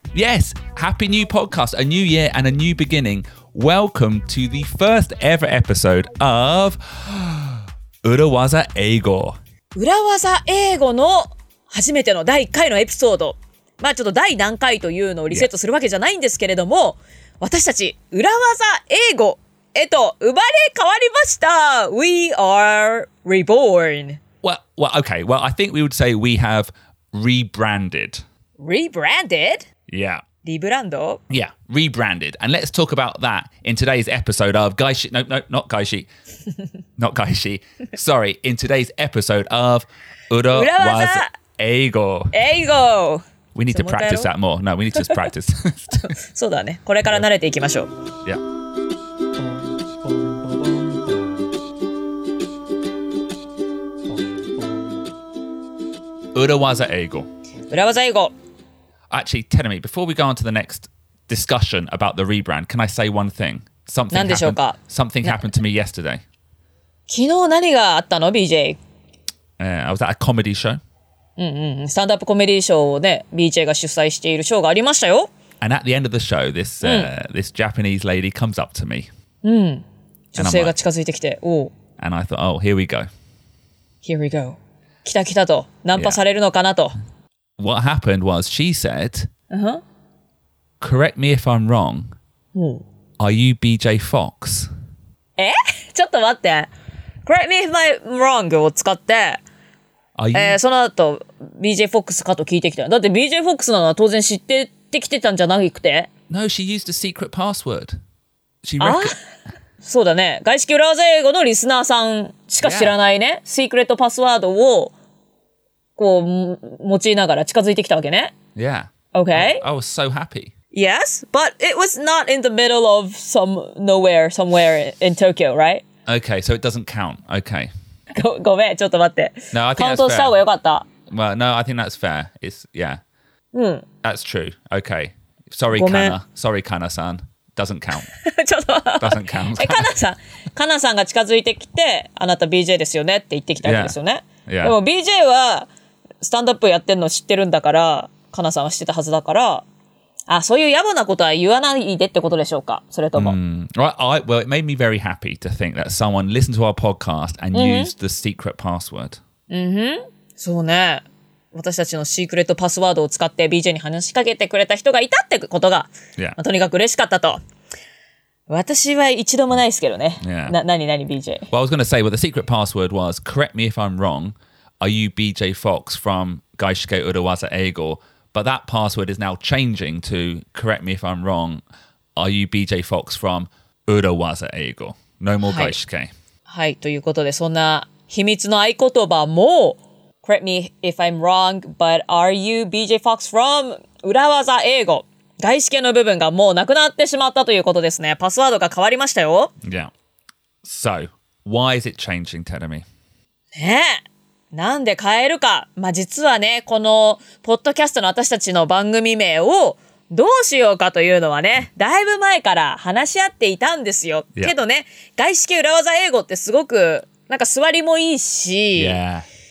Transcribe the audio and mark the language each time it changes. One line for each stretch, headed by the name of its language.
English: Yes, Happy New Podcast, a new year and a new beginning. Welcome to the first ever episode of Urawaza Eigo.
Japanese: Urawaza Eigo の初めての第1回のエピソード。まあちょっと第何回というのをリセットするわけじゃないんですけれども、yeah. 私たち Urawaza Eigo へと生まれ変わりました。
English: We are reborn. Well, okay. Well, I think we would say we have rebranded. Rebranded? Yeah. Rebrand? Yeah, rebranded. And let's talk about that in today's episode of Gaishi. No, not Gaishi. Not Gaishi. Sorry, in today's episode of Urawaza Eigo. Eigo. We need to practice that more. No, we need to just practice.
Japanese: そうだね。これから慣れていきましょう。
English: Yeah. Urawaza Eigo. Urawaza Eigo. Actually, Terumi, before we go on to the next discussion about the rebrand, can I say one thing? Something happened to me yesterday.
Japanese: 昨日何があったの BJ?
English: I was at a comedy show.
Japanese: Stand-up comedy show をね、BJ が主催しているショーがありましたよ。
English: And at the end of the show, this,、this Japanese lady comes up to me.
Japanese: 女性が近づいてきて、おう。
English: And I thought, oh, here we go. Here we go.
Japanese: 来た来たと、ナンパされるのかなと。
English: Yeah. What happened was, she said,、correct me if I'm wrong,、are you BJ Fox?
Japanese: え?ちょっと待って。
English: Correct me if I'm wrong
Japanese: を使って、その後 BJ Fox かと聞いてきた。だって BJ Fox なのは当然知ってきてたんじゃなくて。
English: No, she used a secret password.
Japanese: そうだね。外資系裏技英語のリスナーさんしか知らないね。Yeah. シークレットパスワードを、こう、用いながら近づいてきたわけね。
English: Yeah. Okay. I was so happy. Yes, but it was not in the middle of some nowhere, somewhere in Tokyo, right? Okay, so it doesn't count. Okay.
Japanese: ごめん、ちょっと待って。
English: No, I think that's fair.
Japanese: カウントした方がよかった。
English: Well, no, I think that's fair. It's, yeah.
Japanese: うん。
English: That's true. Okay. Sorry, Kana. Sorry, Kana-san. Doesn't count.
Japanese: ちょっと
English: Doesn't count.
Japanese: え、カナさん、カナさんが近づいてきて、あなた BJ ですよねって言ってきたわけですよね。
English: Yeah. Yeah.
Japanese: でも BJ はスタンドアップやってんの知ってるんだから、カナさんは知ってたはずだから、あ、そういう野暮なことは言わないでってことでしょうか。それとも、
English: Well, it made me very happy to think that someone listened to our podcast and used the secret password.
Japanese: そうね。私たちのシークレットパスワードを使って BJ に話しかけてくれた人がいたってことが、
English: yeah. ま
Japanese: あ、とにかく嬉しかったと。私は一度もないですけどね。
English: Yeah.
Japanese: なに BJ?
English: Well, I was going to say, well, the secret password was, correct me if I'm wrong, are you BJ Fox from Gaishike Urawaza Eigo? But that password is now changing to, correct me if I'm wrong, are you BJ Fox from Urawaza Eigo? No more Gaishike.
Japanese: はい、ということで、そんな秘密の合言葉も、
English: Correct me if I'm wrong, but are you BJ Fox from
Japanese: 裏技英語? 外資系の部分がもうなくなってしまったということですね。パスワードが変わりましたよ。
English: Yeah. So, why is it changing, Terumi?
Japanese: ねえ。なんで変えるか。まあ、実はね、このポッドキャストの私たちの番組名をどうしようかというのはね、だいぶ前から話し合っていたんですよ。
English: Yeah.
Japanese: けどね、外資系裏技英語ってすごく、なんか座りもいいし、
English: yeah.